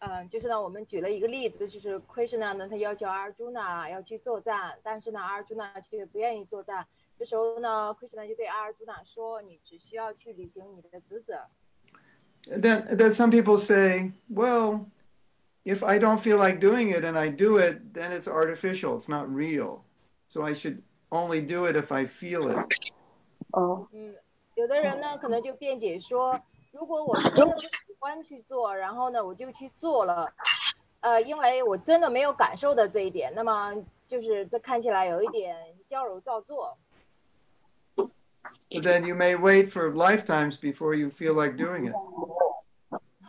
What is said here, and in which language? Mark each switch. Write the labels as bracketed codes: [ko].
[zh] 就是呢，我们举了一个例子，就是 Krishna 呢，他要求 Arjuna 要去作战，但是呢 ，Arjuna 却不愿意作战。这时候呢 ，Krishna 就对 Arjuna 说：“你只需要去履行你的职责。”That [en] some people say, well, if I don't feel like doing it and I do it, then it's artificial. It's not real. So I should only do it if I feel it. [zh] 有的人呢，可能就辩解说，如果我真的不 关去做，然后呢，我就去做了，因为我真的没有感受到这一点，那么就是这看起来有一点矫揉造作。But [en] then you may wait for lifetimes before you feel like doing it.